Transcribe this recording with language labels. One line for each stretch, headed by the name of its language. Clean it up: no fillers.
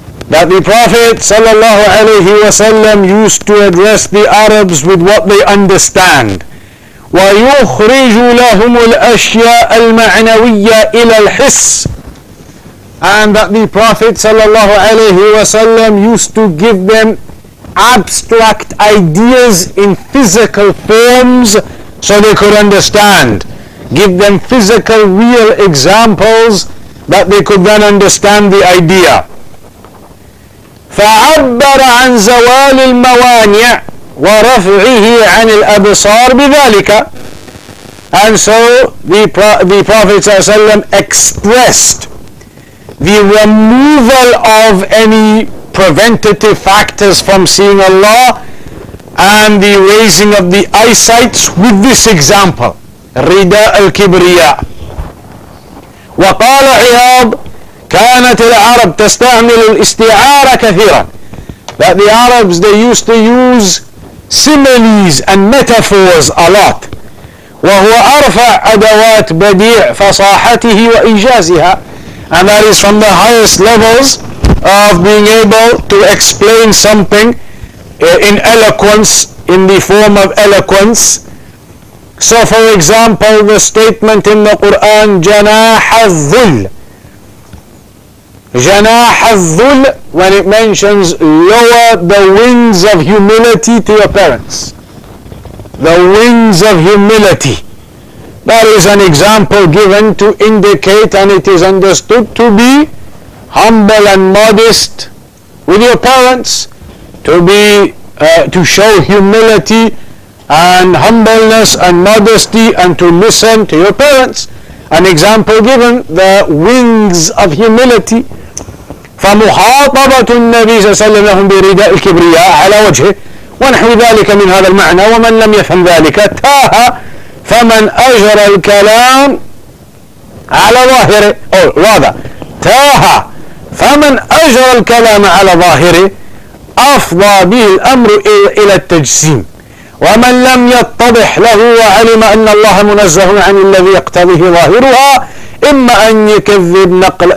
English: That the Prophet sallallahu alayhi wasallam used to address the Arabs with what they understand.
Arabic: ويخرج لهم الأشياء المعنوية إلى الحس.
English: And that the Prophet sallallahu alayhi wasallam used to give them abstract ideas in physical forms so they could understand. Give them physical real examples that they could then understand the idea.
Arabic: فعبر عن زوال الموانع ورفعه عن الأبصار بذلك.
English: And so the Prophet ﷺ expressed the removal of any preventative factors from seeing Allah and the raising of the eyesight with this example, رِدَاء الْكِبْرِيَاء.
Arabic: وَقَالَ عِيَاضُ كَانَتِ الْعَرَبُ تَسْتَعْمِلُ الْإِسْتِعَارَ كَثِيرًا.
English: That the Arabs, they used to use similes and metaphors a lot.
Arabic: وهو أرفع أدوات بديع فصاحته وإنجازها.
English: And that is from the highest levels of being able to explain something in eloquence, in the form of eloquence. So for example, the statement in the Quran, جناح الذل. جناح الذل, when it mentions lower the wings of humility to your parents. The wings of humility. That is an example given to indicate, and it is understood to be humble and modest with your parents, to show humility and humbleness and modesty and to listen to your parents. An example given, the wings of humility.
Arabic: فَمُخَاطَبَةُ النَّبِيِّ صَلَّى اللَّهُ عَلَيْهِ وَسَلَّمَ بِرِدَاءِ الْكِبْرِيَاءِ عَلَى وَجْهِهِ ونحو ذلك من هذا المعنى ومن لم يفهم ذلك تاه فمن أجرى الكلام على ظاهره أو واضح تاه فمن أجرى الكلام على ظاهره أفضى به الأمر إلى التجسيم ومن لم يتضح له وعلم أن الله منزه عن الذي يقتضيه ظاهرها إما أن يكذب